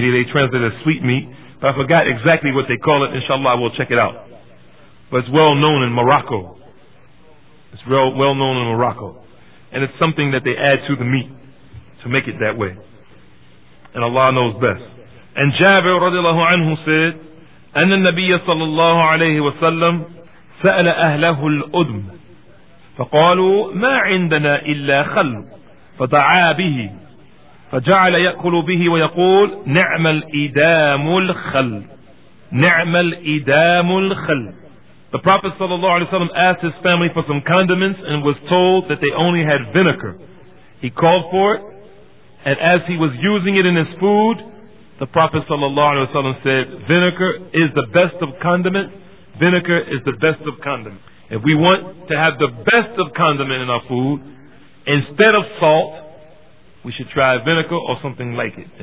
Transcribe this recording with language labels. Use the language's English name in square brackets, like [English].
[English] They translate it as sweet meat. But I forgot exactly what they call it. Inshallah, I will check it out. But it's well known in Morocco. It's well known in Morocco. And it's something that they add to the meat to make it that way. And Allah knows best. And Jabir radiallahu anhu said, [Arabic] أن النبي صلى الله عليه وسلم سأل أهله الأدم فقالوا ما عندنا إلا خل فدعا به فجعل يأكل به ويقول نعم الإدام الخل نعم الإدام الخل. [English] The Prophet صلى الله عليه وسلم asked his family for some condiments and was told that they only had vinegar. He called for it, and as he was using it in his food, the Prophet sallallahu alaihi wasallam said, vinegar is the best of condiments. Vinegar is the best of condiments. If we want to have the best of condiment in our food, instead of salt, we should try vinegar or something like it.